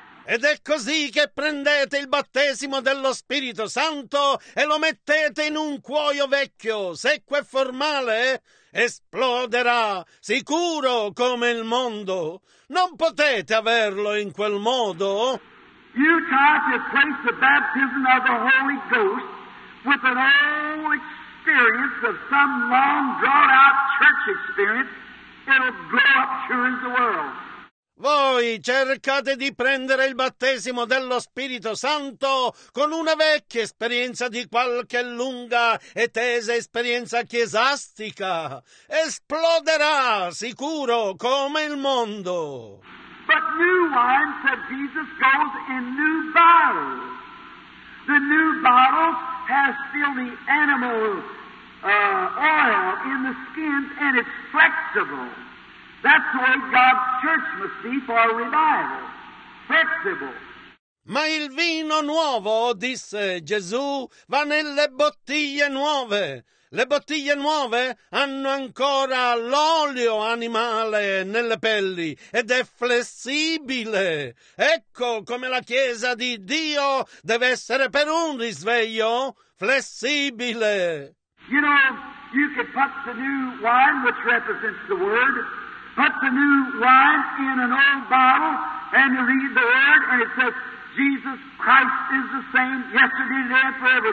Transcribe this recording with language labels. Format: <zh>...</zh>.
<it>Ed è così che prendete il battesimo dello Spirito Santo e lo mettete in un cuoio vecchio, secco e formale, esploderà, sicuro come il mondo. Non potete averlo in quel modo.</it> <en>You try to place the baptism of the Holy Ghost with an old experience of some long, drawn-out church experience, it'll blow up sure as the world.</en> <it>Voi cercate di prendere il battesimo dello Spirito Santo con una vecchia esperienza di qualche lunga e tesa esperienza chiesastica. Esploderà, sicuro, come il mondo.</it> <en>But new wine, said Jesus, goes in new bottles. The new bottle has still the animal oil in the skin and it's flexible. That's the way God's church must be for a revival. Flexible.</en> <it>Ma il vino nuovo, disse Gesù, va nelle bottiglie nuove. Le bottiglie nuove hanno ancora l'olio animale nelle pelli ed è flessibile. Ecco come la Chiesa di Dio deve essere per un risveglio flessibile.</it> <en>You know, you could put the new wine, which represents the word, put the new wine in an old bottle and read the word and it says, Jesus Christ is the same yesterday, today and forever.</en>